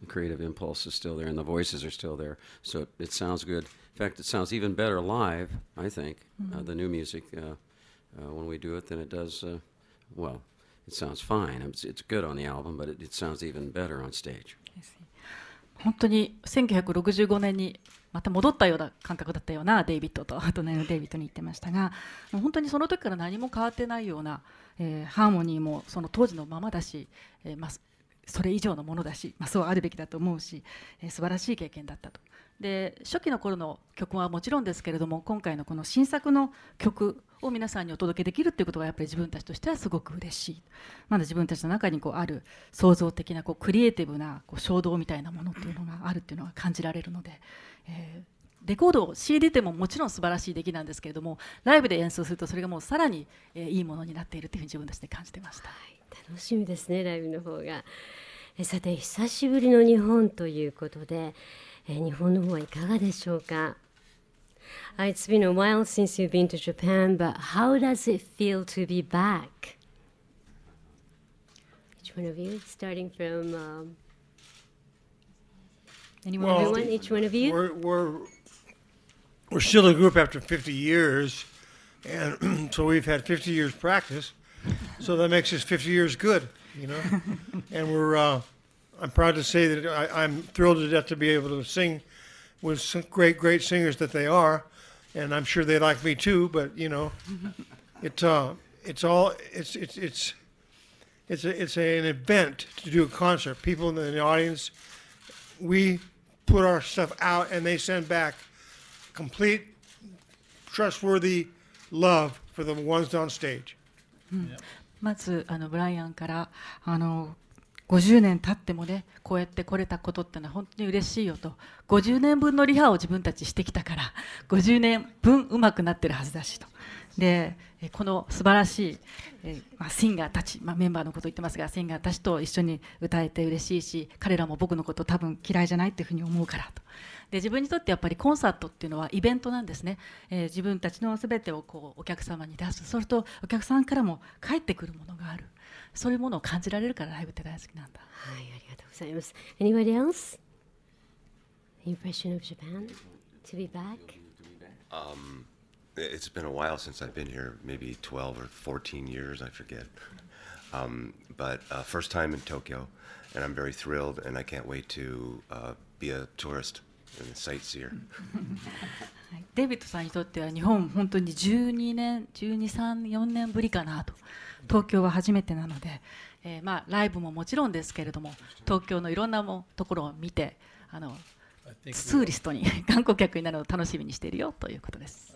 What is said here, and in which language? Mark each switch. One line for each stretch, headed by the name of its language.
English: The creative impulse is still there, and the voices are still there. So it sounds good. In fact, it sounds even better live, I think, the new music, when we do it, than it does, well, it sounds fine. It's good on the album, but it sounds even better on stage. I see.
Japanese: 本当に1965年にまた戻ったような感覚だったような、デイビッドと、隣のデイビッドに言ってましたが、本当にその時から何も変わってないような、ハーモニーもその当時のままだし、それ以上のものだし、そうあるべきだと思うし、素晴らしい経験だったと。で、初期の頃の曲はもちろんですけれども、今回のこの新作の曲を皆さんにお届けできるっていうことがやっぱり自分たちとしてはすごく嬉しい。まだ自分たちの中にこうある創造的なこうクリエイティブなこう衝動みたいなものっていうのがあるっていうのが感じられるので、レコードを CD でももちろん素晴らしい出来なんですけれども、ライブで演奏するとそれがもうさらに、いいものになっているというふうに自分たちで感じてました。はい、楽しみですね、ライブの方が。さて、久しぶりの日本ということで、日本の方はいかがでしょうか。
English: It's been a while since you've been to Japan, but how does it feel to be back? Each one of you, starting from each one of you. We're still a group after 50 years, and so we've had 50 years practice. So that makes us 50 years good, you know. And I'm proud to say that I'm thrilled to death to be able to sing with some great, great singers that they are. And I'm sure they like me too, but you know, it's an event to do a concert. People in the audience, we put our stuff out, and they send back complete, trustworthy love for the ones on stage.
Japanese: まずブライアンから50年経ってもね、こうやって来れたことってのは本当に嬉しいよと、50年分のリハを自分たちしてきたから50年分上手くなってるはずだしと、でこの素晴らしい、シンガーたち、メンバーのこと言ってますが、シンガーたちと一緒に歌えて嬉しいし、彼らも僕のこと多分嫌いじゃないっていうふうに思うからと、で自分にとってやっぱりコンサートっていうのはイベントなんですね、自分たちの全てをこうお客様に出す、それとお客さんからも返ってくるものがある、そういうものを感じられるからライブって大好きなんだ。はい、ありがとうございます。
English: Anybody else? Impression of Japan? To be back? It's been a while since I've been here. Maybe 12 or 14 years, I forget. But first time in Tokyo, and I'm very thrilled, and I can't wait to be a tourist and a sightseer.
Japanese: デビッドさんにとっては日本本当に12、3、4年ぶりかなと。東京は初めてなので、ライブももちろんですけれども、東京のいろんなところを見て、ツーリストに観光客になるのを楽しみにしているよということです。